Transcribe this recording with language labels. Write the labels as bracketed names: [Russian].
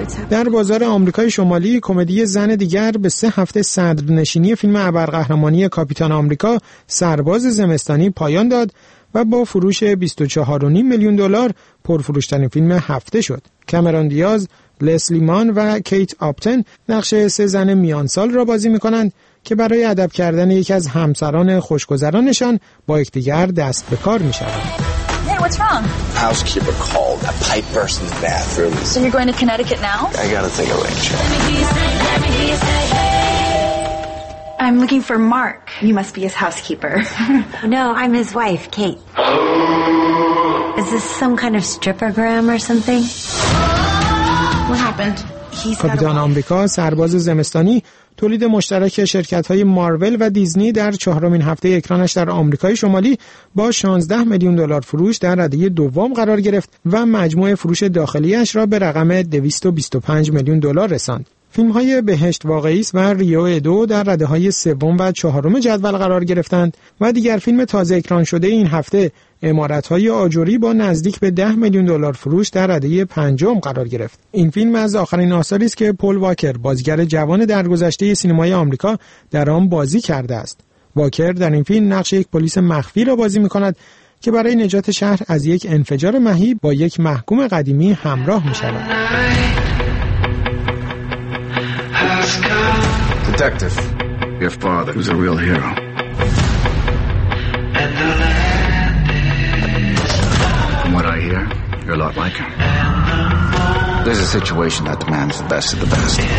[Persian] در بازار آمریکای شمالی، کمدی زن دیگر به 3 هفته صدرنشینی فیلم ابرقهرمانی کاپیتان آمریکا سرباز زمستانی پایان داد و با فروش 24.5 میلیون دلار پرفروش‌ترین فیلم هفته شد. کامرون دیاز، لسلی مان و کیت آپتن نقش 3 زن میانسال را بازی می‌کنند که برای ادب کردن یکی از همسران خوشگذرانشان با یکدیگر دست به کار می‌شوند. [English] What's wrong? Housekeeper called. A pipe burst in the bathroom. So you're going to Connecticut now? I gotta take a leak check. I'm looking for Mark. You must be his housekeeper. No, I'm his wife, Kate. Is this some kind of strippergram or something? What happened? [Persian] کاپیتان آمریکا سرباز زمستانی، تولید مشترک شرکت‌های مارول و دیزنی، در 4 هفته اکرانش در آمریکای شمالی با 16 میلیون دلار فروش در رده دوم قرار گرفت و مجموع فروش داخلیش را به رقم 225 میلیون دلار رساند. فیلم‌های بهشت واقعی است و ریو ادو در رده‌های سوم و چهارم جدول قرار گرفتند و دیگر فیلم تازه اکران شده این هفته، عمارت‌های آجری، با نزدیک به 10 میلیون دلار فروش در رده پنجم قرار گرفت. این فیلم از آخرین آثاری است که پل واکر، بازیگر جوان درگذشته سینمای آمریکا، در آن بازی کرده است. واکر در این فیلم نقش یک پلیس مخفی را بازی می‌کند که برای نجات شهر از یک انفجار مهیب با یک محکوم قدیمی همراه می‌شود. [English] Detective, your father was a real hero. From what I hear, you're a lot like him. There's a situation that demands the best of the best.